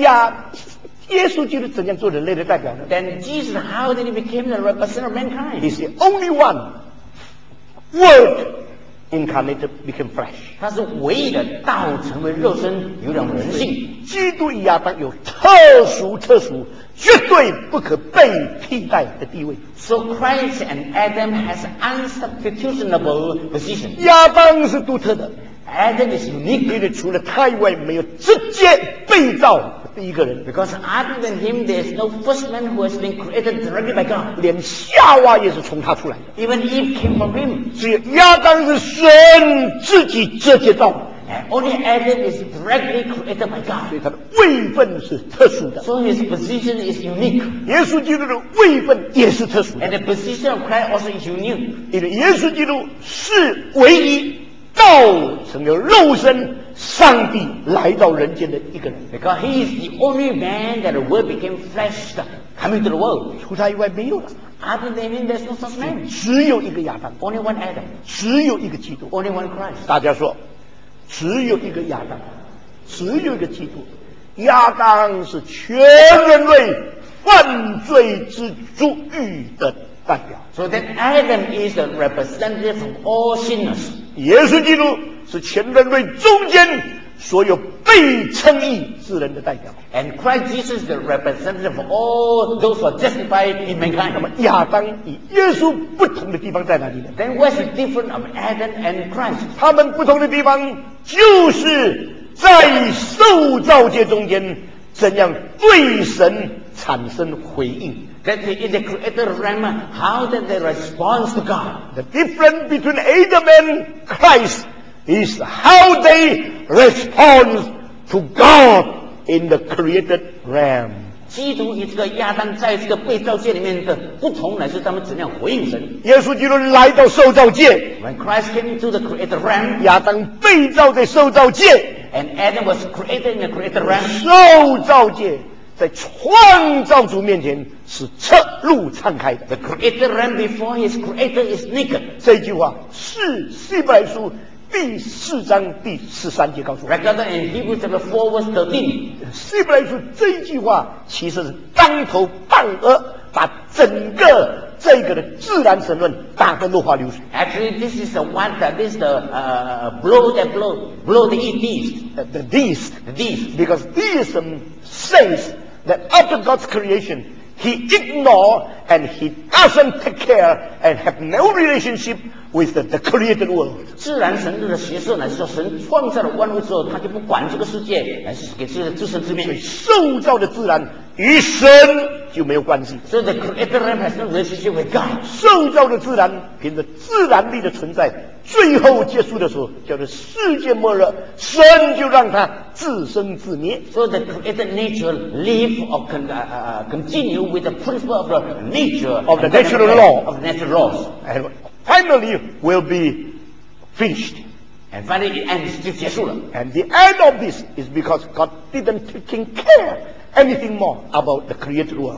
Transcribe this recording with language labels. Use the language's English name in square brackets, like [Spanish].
[Chinese] 呀，耶稣基督怎样做人类的代表呢 [English] ？Then Jesus, how did he become the representative of mankind? He's the only one, word, incarnate became flesh. [Chinese] 他是唯一的道成为肉身，有点人性。基督与亚当有特殊特殊绝对不可被替代的地位。 [English] So Christ and Adam has unsubstitutable position. [Chinese] 亚当是独特的。 [English] Adam is unique. [Chinese] 因为除了他以外没有直接被造的第一个人。 [English] Because other than him, there is no first man who has been created directly by God. [Chinese] 连夏娃也是从他出来的。 [English] Even Eve came from him. [Chinese] 只有亚当是神自己直接造的。 [English] And only Adam is directly created by God. [Chinese] 所以他的位分是特殊的。 [English] So his position is unique. [Chinese] 耶稣基督的位分也是特殊的。 [English] And the position of Christ also is unique. [Chinese] 因为耶稣基督是唯一道成了肉身，上帝来到人间的一个人。 [English] Because he is the only man that the word became flesh coming to the world. [Chinese] 除他以外没有了。 [English] Other than him, there's no such man. [Chinese] 只有一个亚当。 [English] Only one Adam. [Chinese] 只有一个基督。 [English] Only one Christ. [Chinese] 大家说。只有一个亚当，只有一个基督。亚当是全人类犯罪之主义的代表。 [English] So then Adam is the representative of all sinners. [Chinese] 耶稣基督是全人类中间所有被称义之人的代表。 [English] And Christ Jesus is the representative of all those who are justified in mankind. [Chinese] 那么亚当与耶稣不同的地方在哪里呢？ [English] Then what's the difference of Adam and Christ? [Chinese] 他们不同的地方就是在受造界中间怎样对神产生回应。 [English] That in the created realm, how did they respond to God? The difference between Adam and Christ is how they respond to God in the created realm. [Chinese] 基督与这个亚当在这个被造界里面的不同，乃是他们怎样回应神。耶稣基督来到受造界。 [English] When Christ came into the created realm, [Chinese] 亚当被造在受造界。 [English] And Adam was created in the created realm. [Chinese] 受造界在创造主面前是赤露敞开的。 [English] The created realm before his creator is naked. [Chinese] 这句话是希伯来书第四章第十三节告诉我。 [English] Recorded in Hebrews chapter 4 verse 13. [Chinese] 希伯来书这句话其实是当头棒喝，把整个这个的自然神论打得落花流水。 [English] Actually, this is the one that this the blow that blow the deist. The deist. The deist. Because deism says that after God's creation, he ignore and he doesn't take care and have no relationship with the created world. [Chinese] 自然神论的学说乃是说，神创造了万物之后，他就不管这个世界，乃是给自己自生自灭。所以受造的自然与神就没有关系。 [English] So the created realm has no relationship with God. [Chinese] 受造的自然凭着自然力的存在，最后结束的时候叫做世界末日，神就让它自生自灭。 [English] So the created nature live or continue with the principle of the nature of the natural law of natural laws. And finally will be finished. And finally it ends, [Chinese] 就结束了。 [English] And the end of this is because God didn't take care anything more about the created world.